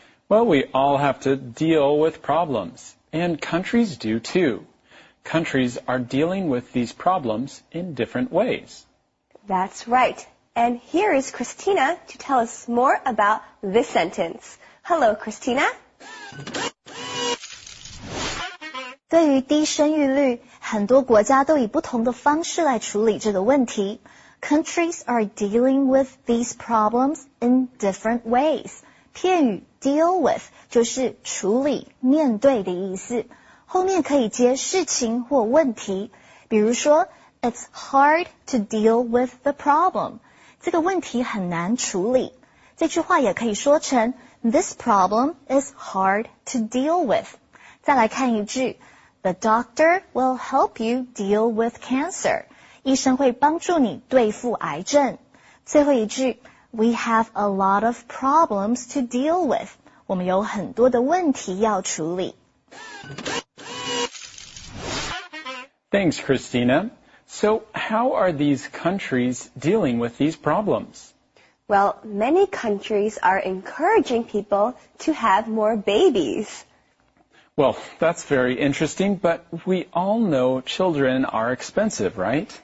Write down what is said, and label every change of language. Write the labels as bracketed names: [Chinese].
[English] Well, we all have to deal with problems, and countries do too. Countries are dealing with these problems in different ways. That's right. And here is Christina to tell us more about this sentence. Hello, Christina. [Chinese] 对于低生育率，很多国家都以不同的方式来处理这个问题。 [English] Countries are dealing with these problems in different ways. [Chinese] 片语 deal with 就是处理、面对的意思，后面可以接事情或问题。比如说 [English] ，It's hard to deal with the problem. [Chinese] 这个问题很难处理。这句话也可以说成 [English] ，This problem is hard to deal with. [Chinese] 再来看一句 [English] ，The doctor will help you deal with cancer. [Chinese] 医生会帮助你对付癌症。最后一句。 [English] We have a lot of problems to deal with. [Chinese] 我们有很多的问题要处理。 [English] Thanks, Christina. So, how are these countries dealing with these problems? Well, many countries are encouraging people to have more babies. Well, that's very interesting, but we all know children are expensive, right?